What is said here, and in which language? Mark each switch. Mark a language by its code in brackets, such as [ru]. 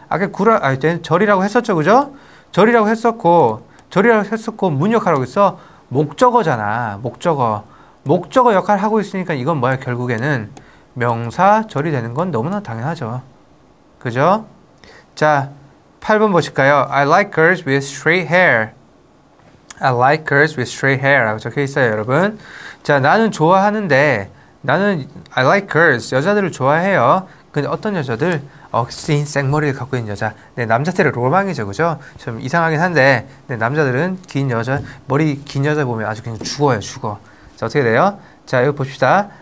[ko] 아까 구라, 아, 얘는 절이라고 했었죠, 그죠? 절이라고 했었고, 절이라고 했었고, 문역하라고 했어? 목적어잖아. 목적어. 목적어 역할을 하고 있으니까 이건 뭐야? 결국에는 명사, 절이 되는 건 너무나 당연하죠. 그죠? 자, 8번 보실까요? [en] I like girls with straight hair. I like girls with straight hair [ko] 라고 적혀 있어요, 여러분. 자, 나는 좋아하는데, 나는 [en] I like girls, [ko] 여자들을 좋아해요. 근데 어떤 여자들? 억신 생머리를 갖고 있는 여자. 네, 남자들의 로망이죠, 그죠? 좀 이상하긴 한데, 네, 남자들은 긴 여자, 머리 긴 여자 보면 아주 그냥 죽어요, 죽어. 자, 어떻게 돼요? 자, 여기 봅시다.